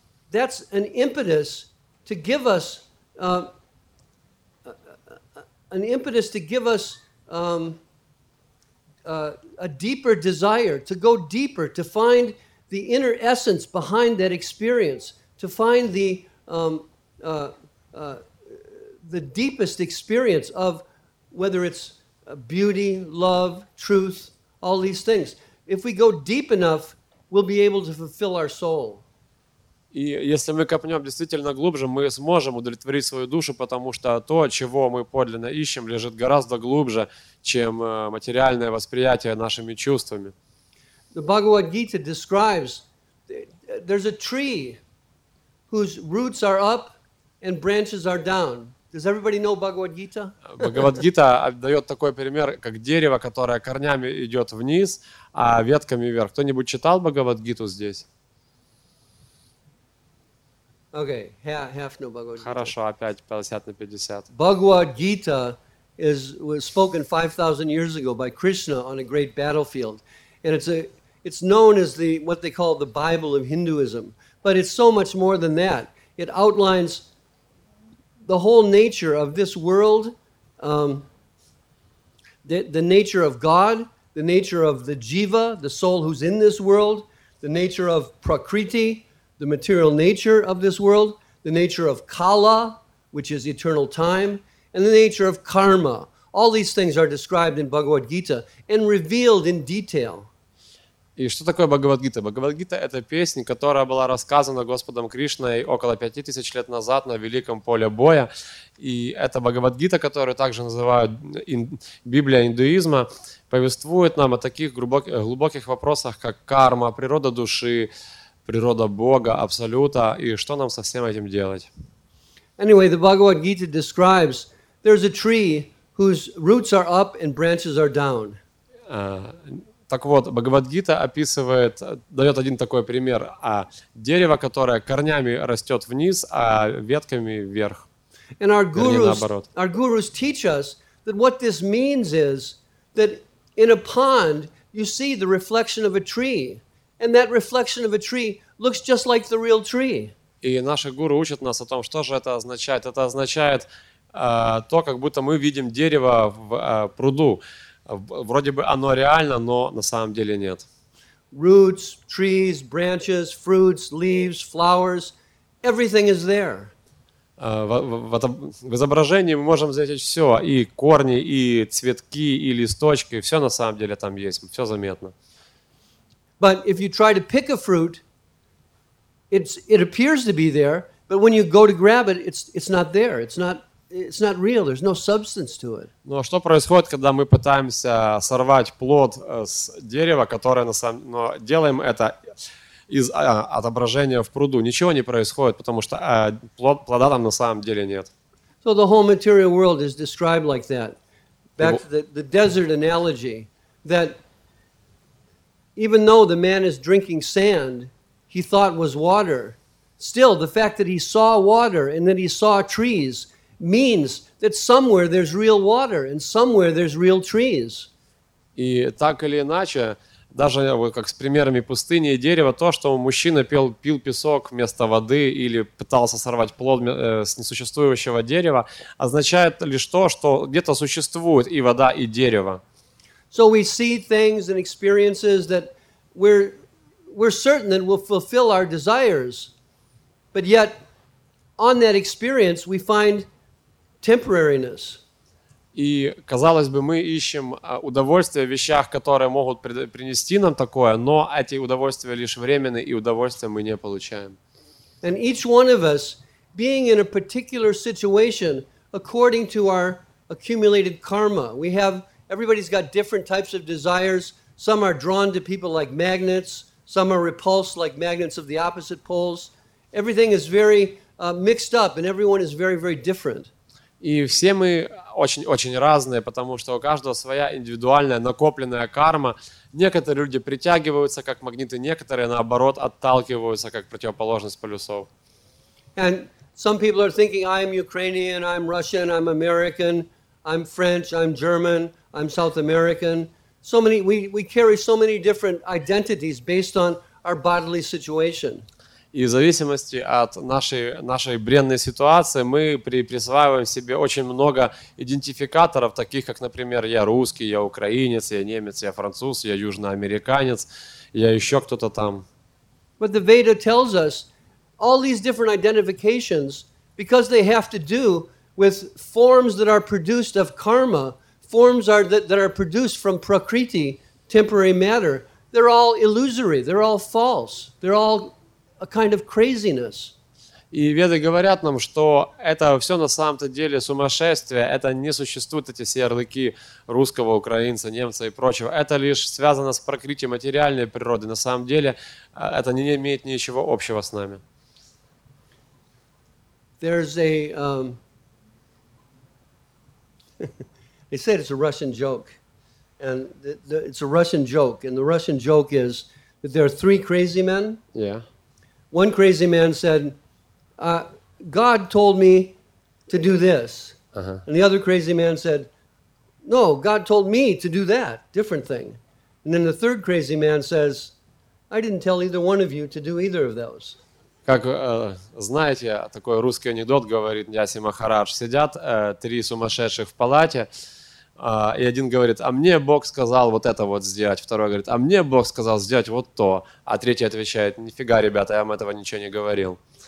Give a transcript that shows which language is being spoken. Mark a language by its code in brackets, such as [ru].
[en] that's an impetus to give us a deeper desire to go deeper, to find the inner essence behind that experience, to find the deepest experience of whether it's beauty, love, truth, all these things. If we go deep enough, we'll be able to fulfill our soul. [ru] И если мы копнем действительно глубже, мы сможем удовлетворить свою душу, потому что то, чего мы подлинно ищем, лежит гораздо глубже, чем материальное восприятие нашими чувствами. [en] The Bhagavad Gita describes there's a tree whose roots are up and branches are down. Does everybody know Bhagavad Gita? [ru] Bhagavad Gita дает такой пример, как дерево, которое корнями идет вниз, а ветками вверх. Кто-нибудь читал Bhagavad Gita здесь? [en] Okay, half no Bhagavad Gita. [ru] Хорошо, опять 50 на 50. [en] Bhagavad Gita was spoken 5,000 years ago by Krishna on a great battlefield, and it's known as what they call the Bible of Hinduism. But it's so much more than that. It outlines the whole nature of this world, the nature of God, the nature of the jiva, the soul who's in this world, the nature of prakriti, the material nature of this world, the nature of kala, which is eternal time, and the nature of karma. All these things are described in Bhagavad Gita and revealed in detail. [ru] И что такое Бхагавад-гита? Бхагавад-гита — это песня, которая была рассказана Господом Кришной около 5000 лет назад на Великом поле боя. И эта Бхагавад-гита, которую также называют Библия индуизма, повествует нам о таких глубоких вопросах, как карма, природа души, природа Бога, Абсолюта, и что нам со всем этим делать. [en] Anyway, the Bhagavad-gita describes there's a tree whose roots are up and branches are down. [ru] Так вот, Бхагавад-гита описывает, дает один такой пример, а дерево, которое корнями растет вниз, а ветками вверх, [en] and our gurus, [ru] наоборот. [en] Our gurus teach us that what this means is that in a pond you see the reflection of a tree, and that reflection of a tree looks just like the real tree. [ru] И наши гуру учат нас о том, что же это означает. Это означает то, как будто мы видим дерево в пруду. Вроде бы оно реально, но на самом деле нет. [en] Roots, trees, branches, fruits, leaves, flowers, everything is there. [ru] В изображении мы можем заметить все, и корни, и цветки, и листочки, все на самом деле там есть, все заметно. [en] But if you try to pick a fruit, it appears to be there, but when you go to grab it, it's not there, It's not real. There's no substance to it. [ru] Но что происходит, когда мы пытаемся сорвать плод с дерева, которое на самом, но делаем это из отображения в пруду? Ничего не происходит, потому что плода там на самом деле нет. [en] So the whole material world is described like that. Back to the desert analogy, that even though the man is drinking sand, he thought was water. Still, the fact that he saw water and that he saw trees means that somewhere there's real water and somewhere there's real trees. [ru] И так или иначе, даже вот как с примерами пустыни и дерева, то, что мужчина пил песок вместо воды или пытался сорвать плод с несуществующего дерева, означает лишь то, что где-то существует и вода, и дерево. [en] So we see things and experiences that we're certain that will fulfill our desires, but yet on that experience we find temporariness. [ru] И, казалось бы, мы ищем удовольствие в вещах, которые могут принести нам такое, но эти удовольствия лишь временные, и удовольствия мы не получаем. [en] And each one of us, being in a particular situation, according to our accumulated karma, everybody's got different types of desires. Some are drawn to people like magnets, some are repulsed like magnets of the opposite poles. Everything is very mixed up, and everyone is very, very different. [ru] И все мы очень-очень разные, потому что у каждого своя индивидуальная накопленная карма. Некоторые люди притягиваются как магниты, некоторые, наоборот, отталкиваются как противоположность полюсов. [en] And Some people are thinking, I am Ukrainian, I'm Russian, I'm American, I'm French, I'm German, I'm South American. So many, we carry so many different identities based on our bodily situation. [ru] И в зависимости от нашей бренной ситуации мы присваиваем себе очень много идентификаторов, таких как, например, я русский, я украинец, я немец, я француз, я южноамериканец, я еще кто-то там. [en] But the Veda tells us all these different identifications, because they have to do with forms that are produced of karma, forms are that are produced from prakriti, temporary matter, they're all illusory, they're all false, they're all a kind of craziness. [ru] И веды говорят нам, что это все на самом-то деле сумасшествие, это не существуют эти все ярлыки русского, украинца, немца и прочего. Это лишь связано с прокрытием материальной природы. На самом деле это не имеет ничего общего с нами. [en] There's a... they said it's a Russian joke. And it's a Russian joke. And the Russian joke is that there are three crazy men. Yeah. One crazy man said, God told me to do this. Uh-huh. And the other crazy man said, no, God told me to do that, different thing. And then the third crazy man says, I didn't tell either one of you to do either of those. [ru] Как знаете, такой русский анекдот говорит Ниаси Махарадж. Сидят три сумасшедших в палате, и один говорит, а мне Бог сказал вот это вот сделать. Второй говорит, а мне Бог сказал сделать вот то. А третий отвечает, нифига, ребята, я вам этого ничего не говорил.